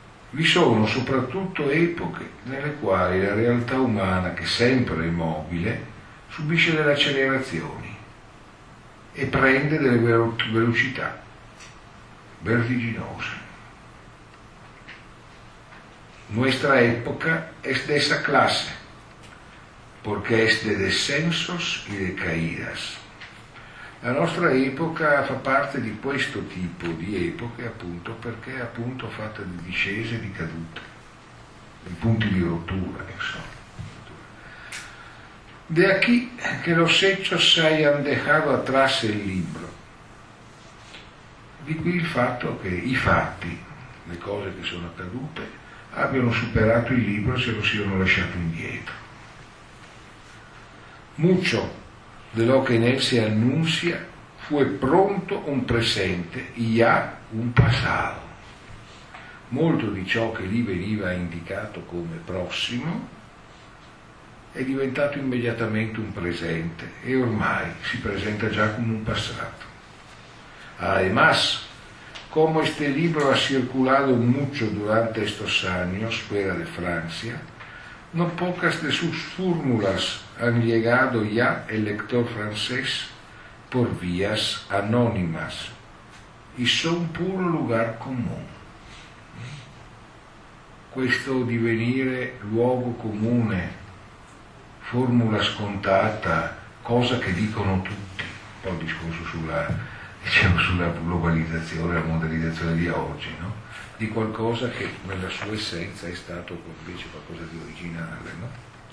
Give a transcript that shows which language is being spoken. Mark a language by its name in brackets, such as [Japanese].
[Italian] Vi sono soprattutto epoche nelle quali la realtà umana, che sempre è mobile, subisce delle accelerazioni e prende delle velocità vertiginose. [Spanish] Nuestra epoca es de esa clase, porque es de descensos y de caídas. [Italian] La nostra epoca fa parte di questo tipo di epoche, appunto, perché è appunto fatta di discese e di cadute, di punti di rottura, insomma. [Spanish] De aquí que los hechos hayan dejado atrás el libro. [Italian] Di qui il fatto che i fatti, le cose che sono accadute, abbiano superato il libro se lo siano lasciato indietro. [Spanish] Mucho de lo que en él se anuncia fue pronto un presente y ya un pasado. [Italian] Molto di ciò che lì veniva indicato come prossimo è diventato immediatamente un presente e ormai si presenta già come un passato. [Spanish] Además, como este libro ha circulado mucho durante estos años fuera de Francia, no pocas de sus fórmulas han llegado ya el lector francés por vías anónimas y son puro lugar común. [Italian] Questo divenire luogo comune, formula scontata, cosa che dicono tutti, poi il discorso sulla, diciamo, sulla globalizzazione, la modernizzazione di oggi, no? Di qualcosa che nella sua essenza è stato invece qualcosa di originale, no?